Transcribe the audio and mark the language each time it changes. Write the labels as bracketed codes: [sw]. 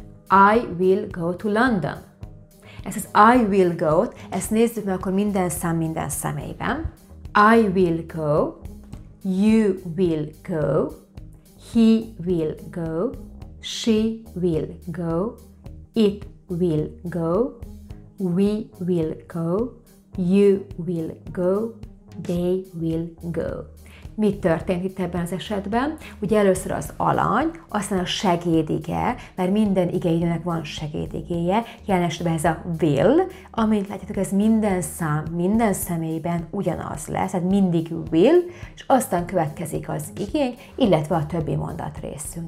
[en] I will go to London. [hu] Ez az I will go-t, ezt nézzük meg akkor minden szám minden személyben. [en] I will go, you will go, he will go, she will go, it will go, we will go, you will go, they will go. [hu] Mit történt itt ebben az esetben? Ugye először az alany, aztán a segédige, mert minden igeidőnek van segédigéje, jelen esetben ez a will, amint látjátok, ez minden szám, minden személyben ugyanaz lesz, tehát mindig will, és aztán következik az igény, illetve a többi mondat részünk.